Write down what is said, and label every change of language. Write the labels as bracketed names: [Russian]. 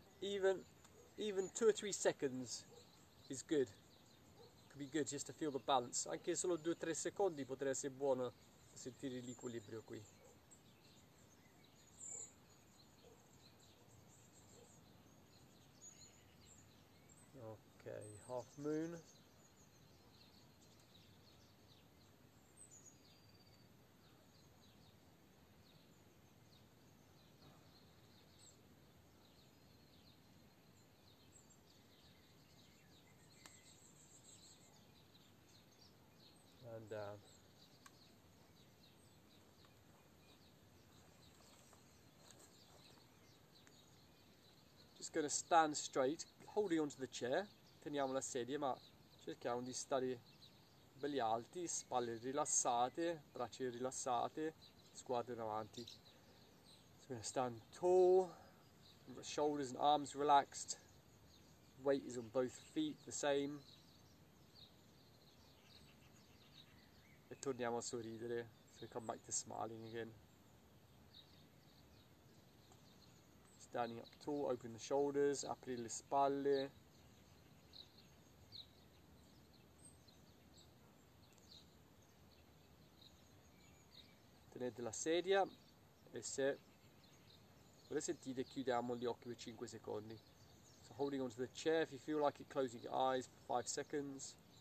[English] Even 2 or 3 seconds is good. Could be good just to feel the balance. [Italian] Anche solo 2 or 3 secondi potrebbe essere buono per sentire l'equilibrio qui. [English] Ok, half moon. Down. Just going to stand straight, holding onto the chair. [Italian] Teniamo la sedia, ma cerchiamo di stare belli alti, spalle rilassate, braccia rilassate, sguardo in avanti. [English] So we're going to stand tall, shoulders and arms relaxed, weight is on both feet the same. [Italian] Torniamo a sorridere, [English] so we come back to smiling again. Standing up tall, open the shoulders, [Italian] apri le spalle. Tenete la sedia e se volete sentite, chiudiamo gli occhi per 5 secondi. [English] So holding onto the chair, if you feel like it, closing your eyes for 5 seconds.